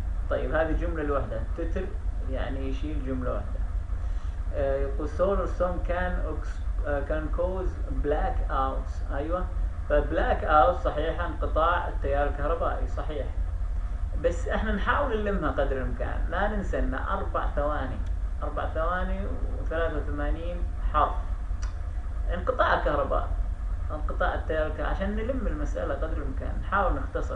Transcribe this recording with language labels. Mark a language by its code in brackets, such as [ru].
[ar] طيب هذه جملة لوحدة، تتر يعني يشيل جملة واحدة. يقول [en] solar storm can cause blackouts. [ar] أيوة، فblack out صحيح انقطاع التيار الكهربائي، صحيح. بس احنا نحاول نلمها قدر الإمكان، لا ننسى ان 4 ثواني، 4 ثواني و83 حرف انقطاع الكهرباء، انقطاع التيار الكهرباء، عشان نلم المسألة قدر الإمكان نحاول نختصر.